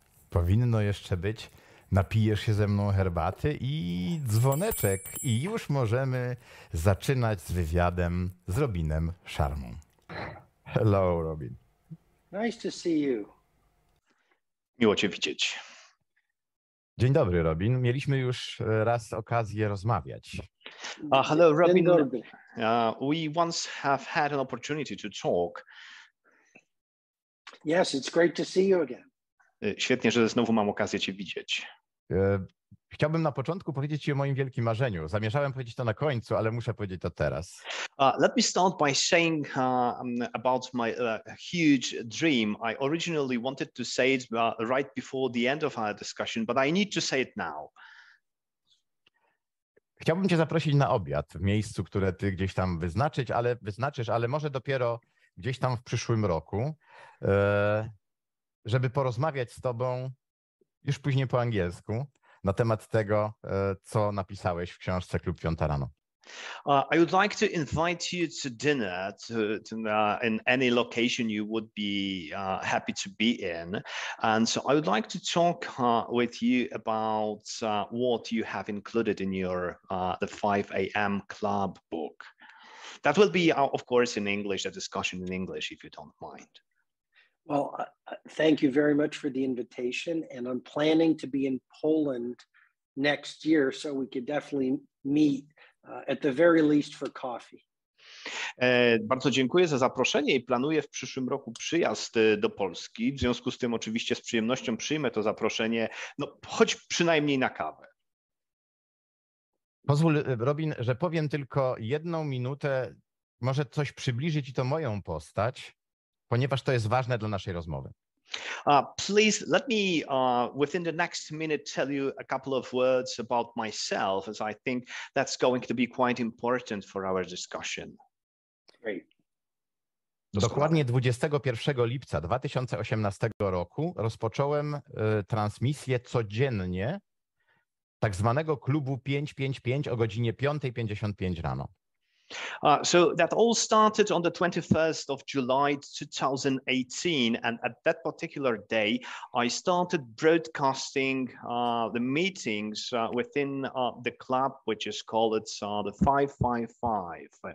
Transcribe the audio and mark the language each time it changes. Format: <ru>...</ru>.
<pl>Powinno jeszcze być, napijesz się ze mną herbaty i dzwoneczek i już możemy zaczynać z wywiadem z Robinem Sharmą.</pl> <en>Hello, Robin. Nice to see you.</en> <pl>Miło cię widzieć. Dzień dobry, Robin. Mieliśmy już raz okazję rozmawiać.</pl> <en>Hello, Robin. We once have had an opportunity to talk. Yes, it's great to see you again.</en> <pl>Świetnie, że znowu mam okazję cię widzieć. Chciałbym na początku powiedzieć ci o moim wielkim marzeniu. Zamierzałem powiedzieć to na końcu, ale muszę powiedzieć to teraz.</pl> <en>Let me start by saying about my huge dream. I originally wanted to say it right before the end of our discussion, but I need to say it now.</en> <pl>Chciałbym cię zaprosić na obiad w miejscu, które ty gdzieś tam wyznaczysz, ale może dopiero gdzieś tam w przyszłym roku. Żeby porozmawiać z tobą już później po angielsku na temat tego, co napisałeś w książce Klub Piąta Rano.</pl> <en>I would like to invite you to dinner in any location you would be happy to be in. And so I would like to talk with you about what you have included in your the 5 a.m. club book. That will be, of course, in English, a discussion in English, if you don't mind. Well, thank you very much for the invitation, and I'm planning to be in Poland next year, so we could definitely meet at the very least for coffee.</en> <pl>Bardzo dziękuję za zaproszenie i planuję w przyszłym roku przyjazd do Polski. W związku z tym oczywiście z przyjemnością przyjmę to zaproszenie, no choć przynajmniej na kawę. Pozwól, Robin, że powiem tylko jedną minutę, może coś przybliży ci to moją postać, ponieważ to jest ważne dla naszej rozmowy.</pl> <en>Please let me within the next minute tell you a couple of words about myself, as I think that's going to be quite important for our discussion. Great.</en> <pl>Dokładnie 21 lipca 2018 roku rozpocząłem transmisję codziennie tak zwanego klubu 555 o godzinie 5:55 rano.</pl> <en>So that all started on the 21st of July 2018, and at that particular day, I started broadcasting the meetings within the club, which is called the 555.</en>